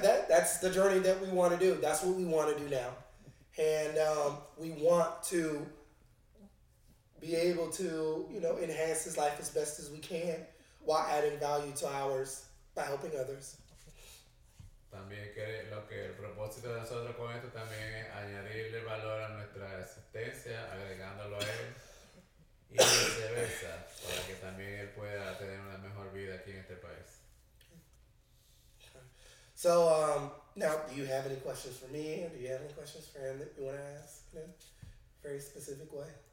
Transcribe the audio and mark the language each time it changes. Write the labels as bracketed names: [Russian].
[English] That's the journey that we want to do. That's what we want to do now. And we want to be able to, you know, enhance his life as best as we can while adding value to ours by helping others. [Spanish] También que lo que el propósito de nosotros con esto también es añadirle valor a nuestra existencia, agregándolo a él y viceversa, para que también él pueda tener una mejor vida aquí en este país. [English] So, now, do you have any questions for me? Do you have any questions for him that you want to ask in a very specific way?